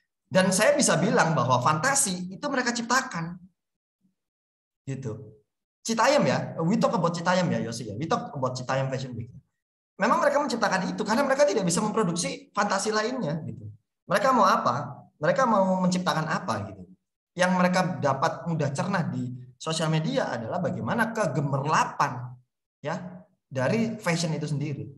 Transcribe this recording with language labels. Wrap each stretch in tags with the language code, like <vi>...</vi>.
<id>Dan saya bisa bilang bahwa fantasi itu mereka ciptakan, gitu.</id> <en>Citayam ya, we talk about Citayam ya Yosi ya, we talk about Citayam Fashion Week.</en> <id>Memang mereka menciptakan itu karena mereka tidak bisa memproduksi fantasi lainnya, gitu. Mereka mau apa? Mereka mau menciptakan apa, gitu? Yang mereka dapat mudah cerna di sosial media adalah bagaimana kegemerlapan ya dari fashion itu sendiri.</id>